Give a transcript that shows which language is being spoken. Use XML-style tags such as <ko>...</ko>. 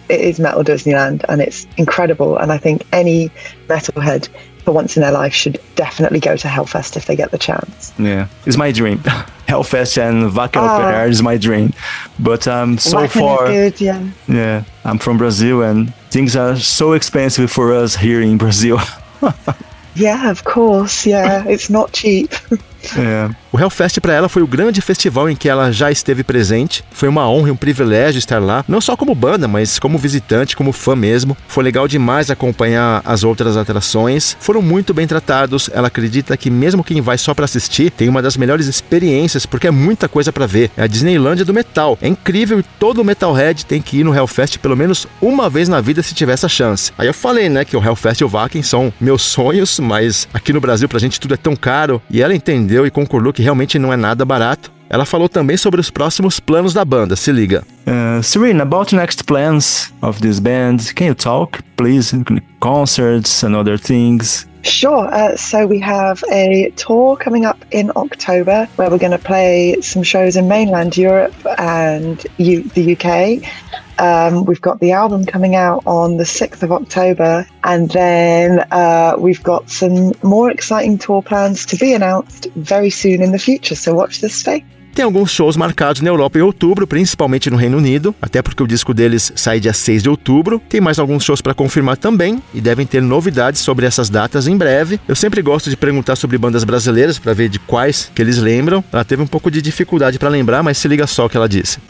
<en>It is Metal Disneyland, and it's incredible. And I think any metalhead for once in their life should definitely go to Hellfest if they get the chance. Yeah, it's my dream. Hellfest and Wacken Open Air is my dream. But I'm so Wacken far. Is good, yeah. Yeah, I'm from Brazil and things are so expensive for us here in Brazil. Yeah, of course. Yeah, it's not cheap.</en> <pt>O Hellfest para ela foi o grande festival em que ela já esteve presente. Foi uma honra e um privilégio estar lá, não só como banda, mas como visitante, como fã mesmo. Foi legal demais acompanhar as outras atrações. Foram muito bem tratados. Ela acredita que mesmo quem vai só para assistir tem uma das melhores experiências, porque é muita coisa para ver. É a Disneylândia do metal. É incrível e todo metalhead tem que ir no Hellfest pelo menos uma vez na vida se tiver essa chance. Aí eu falei, né, que o Hellfest e o Wacken são meus sonhos, mas aqui no Brasil pra gente tudo é tão caro. E ela entende e concordou que realmente não é nada barato. Ela falou também sobre os próximos planos da banda, se liga.</pt> <en>Serene, about next plans of this band, can you talk, please? Concerts and other things? Sure, so we have a tour coming up in October where we're going to play some shows in mainland Europe and the UK. We've got the album coming out on the 6th of October, and then we've got some more exciting tour plans to be announced very soon in the future, so watch this space.</en> <pt>tem alguns shows marcados na Europa em outubro, principalmente no Reino Unido, até porque o disco deles sai dia 6 de outubro. Tem mais alguns shows para confirmar também e devem ter novidades sobre essas datas em breve. Eu sempre gosto de perguntar sobre bandas brasileiras para ver de quais que eles lembram. Ela teve um pouco de dificuldade para lembrar, mas se liga só o que ela disse.</pt>